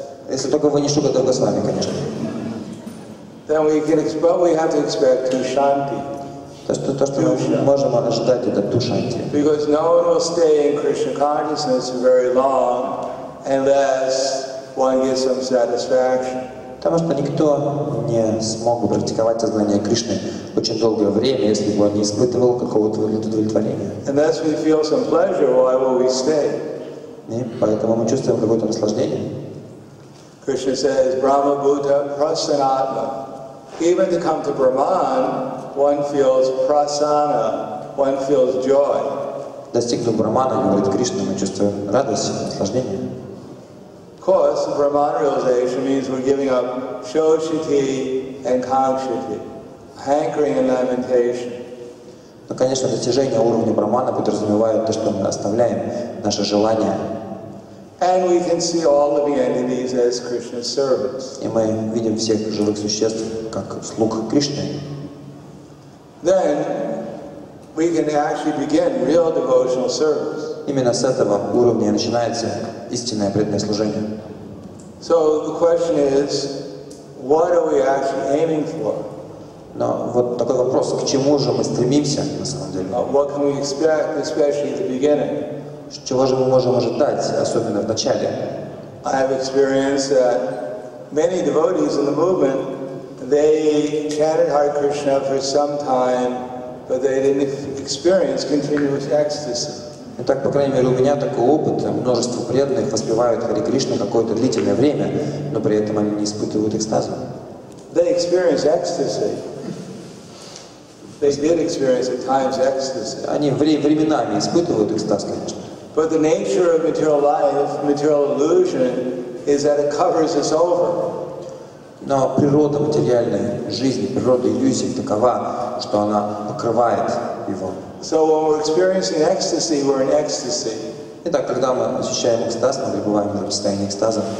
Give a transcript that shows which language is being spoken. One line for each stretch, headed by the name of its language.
Russian: если только вы не Шукадева с вами, конечно.
English: Then we can expect, we have to expect tushanti.
Russian: То, что tusha. Мы можем ожидать, это тушанти.
English: Because no one will stay in Krishna consciousness very long unless one gets some satisfaction.
Russian: Потому что никто не смог бы практиковать сознание Кришны очень долгое время, если бы он не испытывал какого-то удовлетворения. И поэтому мы чувствуем какое-то наслаждение.
English: Krishna says, Brahma Bhuta Prasanatma. Even to come to Brahman, one feels prasana, one feels joy.
Russian: Достигнув Брахмана, говорит Кришна, мы чувствуем радость, наслаждение.
English: Of course, Brahman realization means we're giving up shoshiti and kamshiti, hankering and lamentation.
Russian: Но, конечно, достижение уровня Брахмана подразумевает то, что мы оставляем наши желания.
English: And we can see all living entities as Krishna's servants.
Russian: И мы видим всех живых существ как слуг Кришны.
English: Then we can actually begin real devotional service.
Russian: Именно с этого уровня начинается истинное преданное служение.
English: So the question is, what are we actually aiming for?
Russian: Но вот такой вопрос, к чему же мы стремимся на самом деле?
English: What can we expect, especially at the beginning?
Russian: Чего же мы можем ожидать, особенно в начале?
English: I have experienced that many devotees in the movement, they chanted Hare Krishna for some time, but they didn't experience continuous ecstasy.
Russian: Итак, по крайней мере, у меня такой опыт. Множество преданных воспевают Хари Кришну какое-то длительное время, но при этом они не испытывают экстаза.
English: They experience ecstasy. They did experience at times ecstasy.
Russian: Они временами испытывают экстаз, конечно.
English: But the nature of material life, material illusion, is that it covers us over.
Russian: Но природа материальной жизни, природа иллюзий такова, что она покрывает его.
English: So when we're experiencing ecstasy, we're in ecstasy.
Russian: Итак, когда мы ощущаем экстаз, мы пребываем в состоянии экстаза.